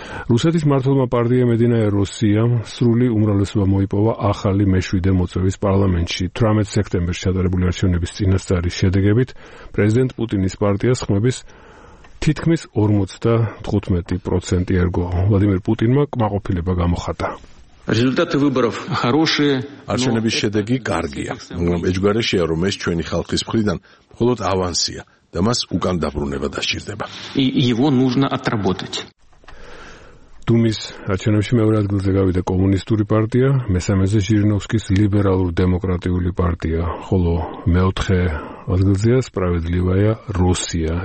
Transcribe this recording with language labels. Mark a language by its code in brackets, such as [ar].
[ka] რუსეთის მართველმა პარტიამ მედინაე რუსიამ სრული უმრავლესობა მოიპოვა ახალი მეშვიდე მოწვევის პარლამენტში. 18 სექტემბერს ჩატარებული არჩევნების წინასწარი შედეგებით პრეზიდენტ პუტინის პარტიას ხმების თითქმის 55% ერგო. ვლადიმერ პუტინმა კმაყოფილება გამოხატა. [ru] Результаты выборов хорошие, [ka] არჩევნების შედეგი კარგია. მაგრამ ეს გარეშეა, რომ ეს ჩვენი ხალხის მხრიდან მხოლოდ ავანსია და მას უკან დაბრუნება დასჭირდება. [ru] И его нужно отработать. [ka] დუმის არჩევნებში მეორე ადგილზე გავიდა კომუნისტური პარტია, მესამეზე ჟირინოვსკის ლიბერალურ-დემოკრატიული პარტია, ხოლო მეოთხე ადგილზეა სპრავედლივაია რუსია.